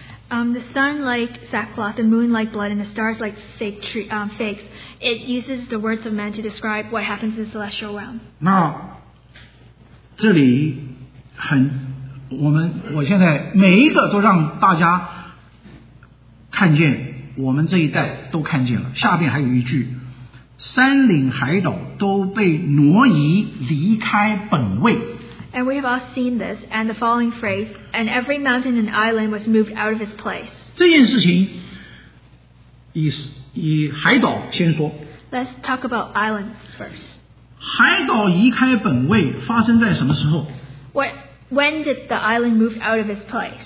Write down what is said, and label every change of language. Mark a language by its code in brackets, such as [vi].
[en] The sun like sackcloth, the moon like blood, and the stars like figs. It uses the words of men to describe what happens in the celestial realm. [zh] 那这里很，我现在每一个都让大家看见，我们这一代都看见了。下边还有一句：山岭海岛都被挪移离开本位。 [en] And we have all seen this, and the following phrase, and every mountain and island was moved out of its place. [zh] 这件事情以海岛先说。 [en] Let's talk about islands first. [zh] 海岛移开本位发生在什么时候？ [en] When did the island move out of its place?